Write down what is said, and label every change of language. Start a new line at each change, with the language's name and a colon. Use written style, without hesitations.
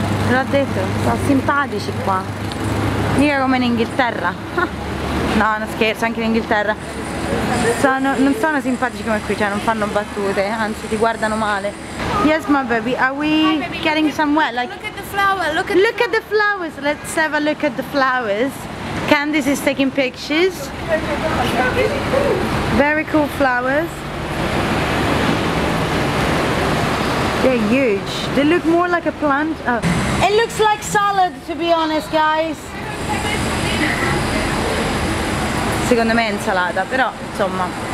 Italian: L'ho detto, sono simpatici qua. Mica come in Inghilterra. No, non scherzo, anche in Inghilterra sono, non sono simpatici come qui, cioè non fanno battute, anzi ti guardano male.
English: Yes, my baby, are we getting somewhere? Like, look at the flower, look at the, look at the flowers. Let's have a look at the flowers. Candice is taking pictures. Very cool flowers. They're huge. They look more like a plant. Oh. It looks like salad, to be honest, guys.
Italian: Secondo me è insalata, però insomma.